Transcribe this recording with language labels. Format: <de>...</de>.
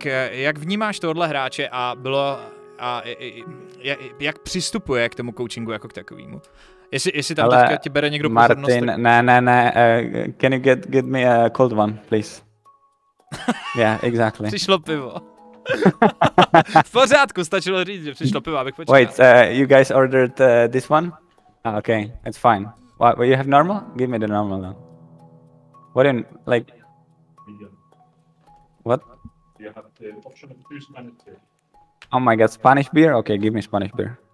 <cs>Jak vnímáš tohle hráče a bylo a jak přistupuje k tomu coachingu jako k takovému? Jestli tam teďka ti bere někdo Martin, pozornost?</cs> <en>Martin, ne, can you get me a cold one, please? Yeah, exactly.</en> <cs>Přišlo pivo. V pořádku, stačilo říct, že přišlo pivo, abych počítal.</cs> <en>Wait, you guys ordered this one? Ah, okay, it's fine. What, you have normal? Give me the normal now. What in, like... What? You have the option of two Spanish. Oh my god, Spanish beer? Okay, give me Spanish beer.</en>